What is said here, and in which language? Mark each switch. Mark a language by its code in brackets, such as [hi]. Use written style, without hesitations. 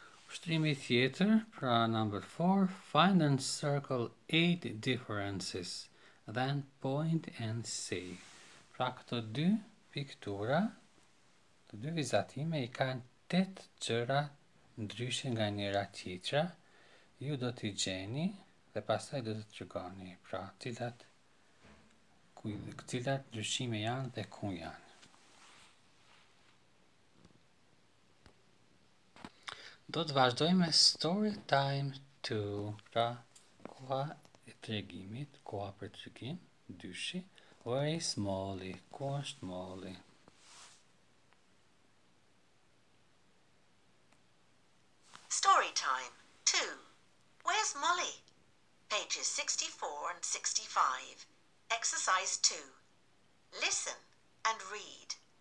[en] Streamy Theatre, pra number 4, find and circle 8 differences, then point and say. [sq] Pra këto dy piktura, të dy vizatime I kanë 8 gjëra ndryshe nga njëra tjetra, ju do t'i gjeni dhe pasaj do të tregoni, pra cilat ndryshime janë dhe ku janë. Do të vazhdojmë story time 2, pra koha e tregimit, koha për tregim, dyshi, [en] where is Molly, [sq] ku është Molly? [en] Story time 2, where's Molly? Pages 64 and 65, exercise 2, listen and read.